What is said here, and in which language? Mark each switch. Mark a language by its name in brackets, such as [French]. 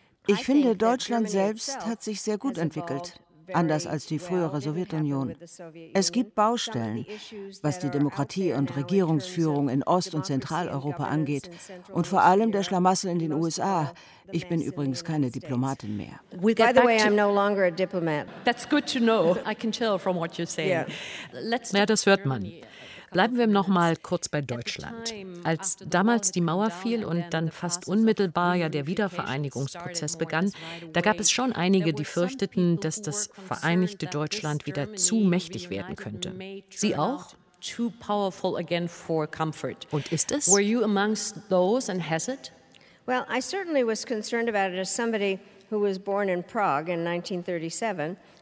[German] Ich finde, Deutschland selbst hat sich sehr gut entwickelt, anders als die frühere Sowjetunion. Es gibt Baustellen, was die Demokratie und Regierungsführung in Ost- und Zentraleuropa angeht, und vor allem der Schlamassel in den USA. Ich bin übrigens keine Diplomatin mehr. [English] By the way, I'm no longer a diplomat. That's good to know. I can tell from what you're saying. [German] Ja, das hört man. Bleiben wir noch mal kurz bei Deutschland. Als damals die Mauer fiel und dann fast unmittelbar ja der Wiedervereinigungsprozess begann, da gab es schon einige, die fürchteten, dass das vereinigte Deutschland wieder zu mächtig werden könnte. Sie auch? [English] Too powerful again for comfort. [German] Und ist es? [English] Were you amongst those and has it? Well, I certainly was concerned about it as somebody who was born in Prague in 1937.